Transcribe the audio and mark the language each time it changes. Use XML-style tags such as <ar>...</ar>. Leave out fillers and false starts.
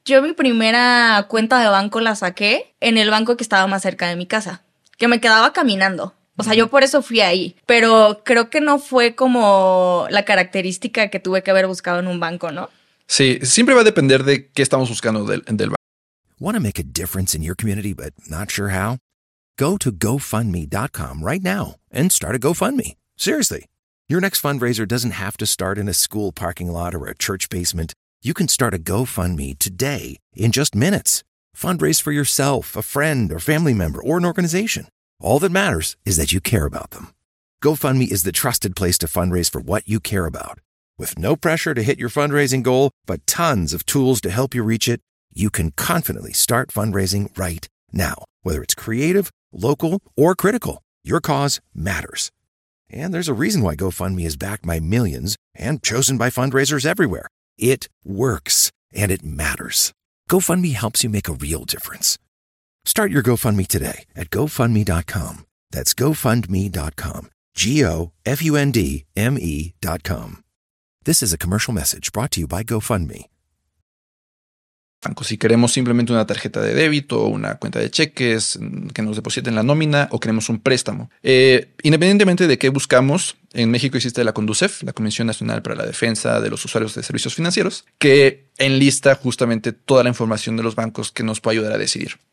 <es>Yo mi primera cuenta de banco la saqué en el banco que estaba más cerca de mi casa, que me quedaba caminando. O sea, yo por eso fui ahí, pero creo que no fue como la característica que tuve que haber buscado en un banco, ¿no? Sí, siempre va a depender de qué estamos buscando del banco.</es> <en>Want to make a difference in your community, but not sure how? Go to GoFundMe.com right now and start a GoFundMe. Seriously, your next fundraiser doesn't have to start in a school parking lot or a church basement. You can start a GoFundMe today in just minutes. Fundraise for yourself, a friend, or family member, or an organization. All that matters is that you care about them. GoFundMe is the trusted place to fundraise for what you care about. With no pressure to hit your fundraising goal, but tons of tools to help you reach it, you can confidently start fundraising right now. Whether it's creative, local, or critical, your cause matters. And there's a reason why GoFundMe is backed by millions and chosen by fundraisers everywhere. It works, and it matters. GoFundMe helps you make a real difference. Start your GoFundMe today at GoFundMe.com. That's GoFundMe.com. GoFundMe.com. This is a commercial message brought to you by GoFundMe.</en> <es>Banco, si queremos simplemente una tarjeta de débito o una cuenta de cheques que nos depositen la nómina o queremos un préstamo. Independientemente de qué buscamos, en México existe la CONDUCEF, la Comisión Nacional para la Defensa de los Usuarios de Servicios Financieros, que enlista justamente toda la información de los bancos que nos puede ayudar a decidir.</es>